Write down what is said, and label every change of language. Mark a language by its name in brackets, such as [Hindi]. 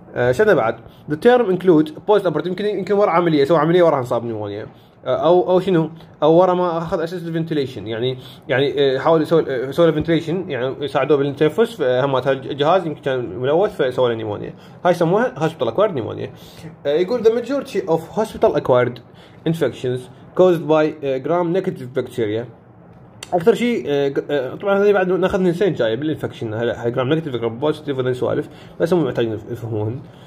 [Arabic] شنو بعد؟ [English] The term include post operative، [Arabic] يمكن وراء عملية، سوى عملية وراء انصاب نيمونيا، أو شنو؟ أو وراء ما أخذ أساس الفنتيليشن، يعني حاول يسوي الفنتيليشن، يعني يساعدوه بالتنفس، همات الجهاز يمكن كان ملوث فسوى له نيمونيا. هاي يسموها [English] hospital acquired pneumonia. [Arabic] يقول [English] the majority of hospital acquired infections caused by gram negative bacteria. [Arabic] اكثر شيء طبعا هذه بعد ناخذ نسين جايه بالانفكشن، هلا جرام نيجاتيف جرام بوزيتيف ولا سوالف، بس مو محتاجين يفهمون.